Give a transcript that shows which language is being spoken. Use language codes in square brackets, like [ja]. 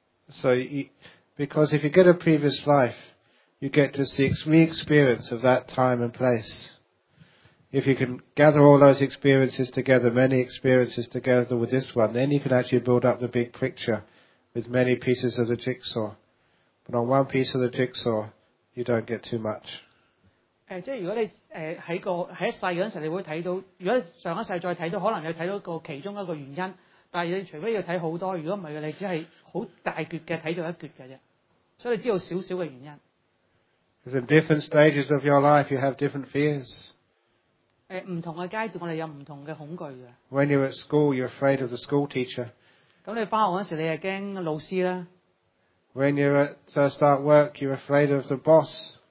[en] So, because if you get a previous life, you get to re-experience of that time and place. If you can gather all those experiences together, many experiences together with this one, then you can actually build up the big picture with many pieces of the jigsaw. But on one piece of the jigsaw, you don't get too much. [yue] 即係如果你喺一世嗰陣時，你會睇到，如果上一世再睇到，可能你睇到個其中一個原因。但係你除非要睇好多，如果唔係，你只係好大橛嘅睇到一橛嘅啫。所以你知道少少嘅原因。 [en] Because in different stages of your life, you have different fears. [yue] 唔同嘅階段，我哋有唔同嘅恐懼嘅。 [en] When you're at school, you're afraid of the school teacher. [yue] 咁你翻學嗰時，你係驚老師啦。 [en] When you're at start work, you're afraid of the boss.